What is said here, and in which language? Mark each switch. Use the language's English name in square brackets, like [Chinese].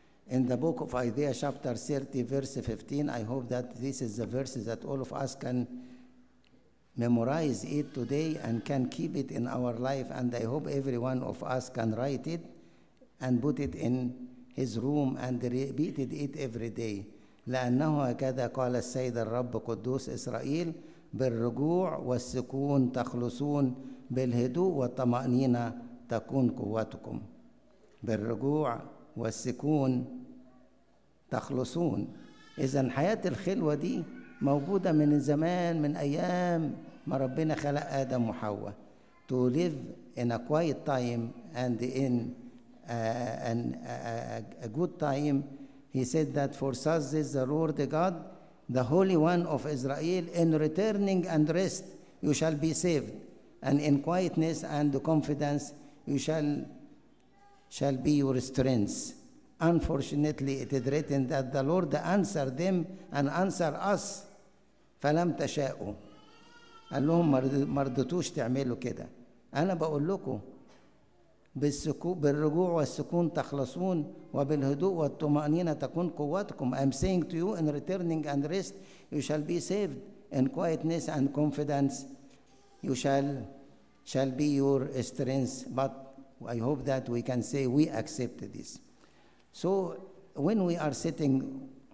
[English] In the book of Isaiah chapter 30, verse 15, I hope that this is the verse that all of us can memorize it today and can keep it in our life, and I hope every one of us can write it and put it in his room and repeat it every day. [Arabic] لأنه كذا قال السيد الرب قدوس إسرائيل بالرجوع والسكون تخلصون بالهدوء والطمأنينة تكون قوتكم. بالرجوع والسكون تخلصون. إذن حياة الخلوة دي موجودة من زمان, من أيام ما ربنا خلق آدم وحواء. [English] To live in a quiet time and in a good time, he said that for such is the Lord God, the Holy One of Israel, in returning and rest you shall be saved, and in quietness and confidence you shall be your strength. Unfortunately, it is written that the Lord answered them and answered us, [Arabic] فلم تشاءوا. قال لهم ما رضيتوش تعملوا كده. أنا بقول لكم بالرجوع والسكون تخلصون وبالهدوء والطمأنينة تكون قوتكم. [English] I'm saying to you, in returning and rest you shall be saved, in quietness and confidence you shall be your strength. But I hope that we can say we accept this. So when we are sitting